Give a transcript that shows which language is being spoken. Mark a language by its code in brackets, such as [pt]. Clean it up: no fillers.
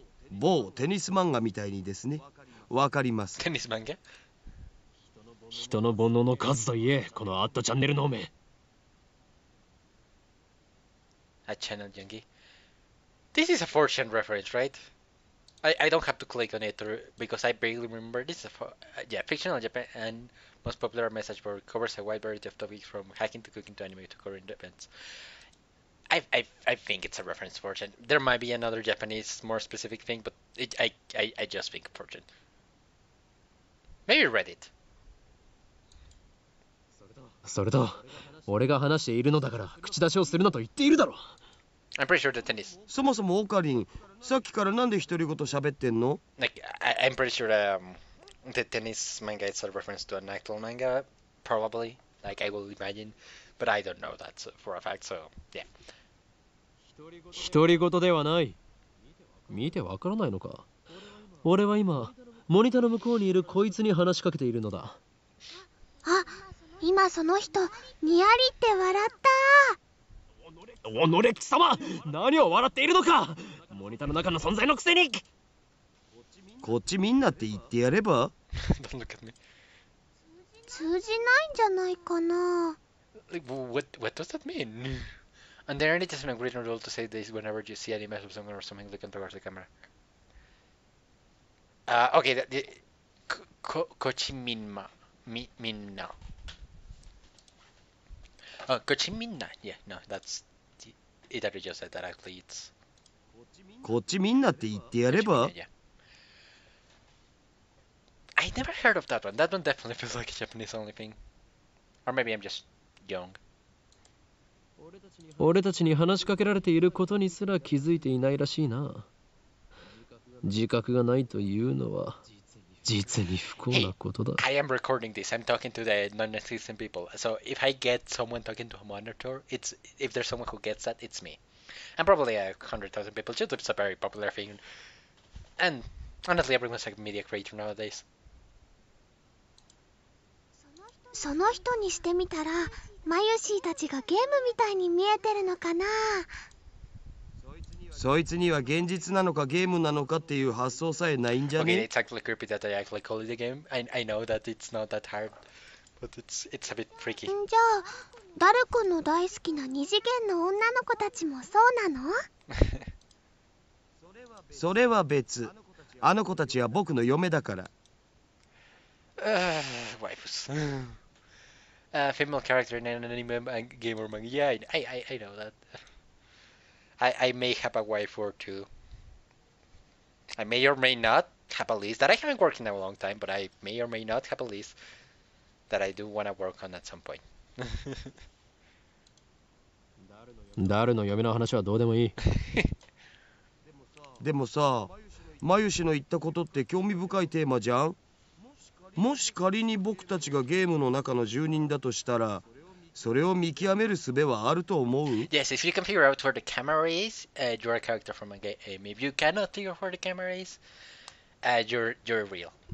[ja] 某テニス漫画みたいにですね。わかります。テニス漫画、人の煩悩の数といえ、このアットチャンネルのおめアッチャンネルジャンギー。 [en] This is a 4chan reference, right? I don't have to click on it because I barely remember. This is a fictional Japan and most popular message board covers a wide variety of topics from hacking to cooking to anime to current events. I think it's a reference to 4chan. There might be another Japanese more specific thing, but I just think 4chan. Maybe Reddit. [ja] それと、俺が話しているのだから口出しをするなと言っているだろ。 [en] I'm pretty sure the tennis. [ja] そもそもオカリン、さっきからなんで独り言喋ってんの？ [en] Like, I'm pretty sure the tennis manga is a reference to an actual manga, probably. Like, I will imagine. But I don't know that for a fact, so yeah. [ja] 独り言ではない。見てわからないのか。俺は今モニターの向こうにいるこいつに話しかけているのだ。あ、今その人にやりって笑った。おのれ貴様、何を笑っているのか。モニターの中の存在のくせに。こっちみんなって言ってやれば。通じないんじゃないかな。 [en] What does that mean? And there it is an agreed rule to say this whenever you see any mess of someone or something looking towards the camera. Okay, the Kochiminma. Minna. Oh, Kochiminna. Yeah, no, that's. It already just said that actually it's. [ja] Kochiminna って言ってやれば? [en] Yeah. I never heard of that one. That one definitely feels like a Japanese only thing. Or maybe I'm just young. [ja] 俺たちに話しかけられていることにすら気づいていないらしいな。自覚がないというのは実に不幸なことだ。 [en] Hey, I am recording this. I'm talking to the non-existent people. So if I get someone talking to a monitor, if there's someone who gets that, it's me. And probably 100,000 people. YouTube's a very popular thing. And honestly, everyone's like a media creator nowadays. [ja] その人にしてみたら、マユシーたちがゲームみたいに見えてるのかな。そいつには現実なのかゲームなのかっていう発想さえないんじゃね。 [en] Okay, it's actually creepy that I actually call it a game. I know that it's not that hard, but it's a bit freaky. [ja] じゃあ、ダルクの大好きな二次元の女の子たちもそうなの？それは別。あの子たちは僕の嫁だから。 [en] Wifes. Female character in an anime game or manga. Yeah, I know that. I may have a wife or two. I may or may not have a list that I haven't worked in a long time, but I may or may not have a list that I do want to work on at some point. [ja] ダルの嫁の話はどうでもいい。でもさ、マユシの言ったことって興味深いテーマじゃん。もし仮に僕たちがゲームの中の住人だとしたら、それを見極める術はあると思う？ [en] Yes, if you can figure out where the camera is, you're a character from a game. If you cannot figure out where the camera is, you're real.